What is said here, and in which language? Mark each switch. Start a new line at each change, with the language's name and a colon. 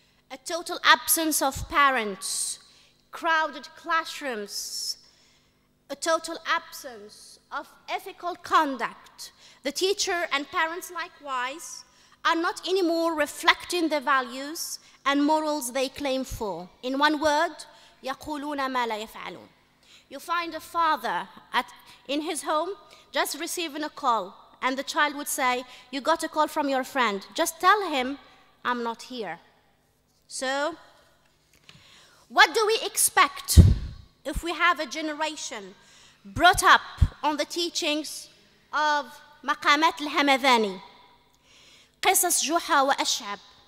English: A total absence of parents, crowded classrooms, a total absence of ethical conduct. The teacher and parents likewise are not anymore reflecting the values and morals they claim for. In one word,
Arabic: يقولون ما لا يفعلون.
English: You find a father in his home just receiving a call, and the child would say, you got a call from your friend. Just tell him, I'm not here. So, what do we expect if we have a generation brought up on the teachings of مقامات الهمذاني, قصص جحا وأشعب.